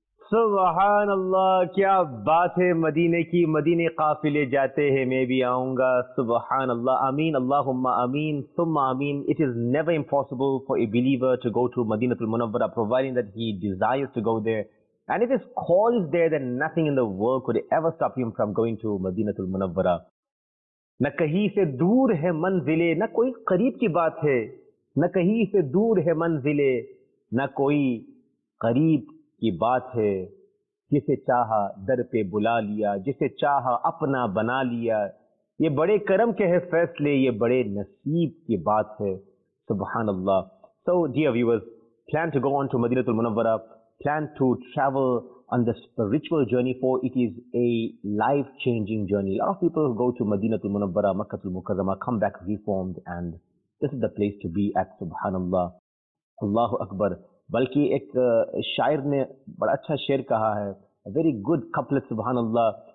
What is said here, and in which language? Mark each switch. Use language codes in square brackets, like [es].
[ur] سبحان اللہ، کیا بات ہے، مدینے کی، مدینے قافلے جاتے ہیں میں بھی آؤں گا، سبحان اللہ، آمین، اللہم آمین ثم آمین. [en] It is never impossible for a believer to go to Madinah al-Munawwarah providing that he desires to go there and if his call is there then nothing in the world could ever stop him from going to Madinah al-Munawwarah. [ur] نہ کہیں سے دور ہے منزلے، نہ کوئی قریب کی بات ہے، نہ کہیں سے دور ہے منزلے، نہ کوئی قریب کی بات ہے، جسے چاہا در پہ بلا لیا، جسے چاہا اپنا بنا لیا. یہ بڑے کرم کے ہیں فیصلے، یہ بڑے نصیب کی بات ہے، سبحان اللہ. [en] So dear viewers, plan to go on to Madinah al-Munawwarah, plan to travel on the spiritual journey, for it is a life-changing journey. A lot of people go to Madinah al-Munawwarah, Makkah al-Mukarramah, come back reformed and this is the place to be at, سبحان اللہ. [ar] اللہ اکبر. [ur] بلکہ ایک شاعر نے بڑا اچھا شعر کہا ہے, [en] very good couplet, [ur] سبحان اللہ.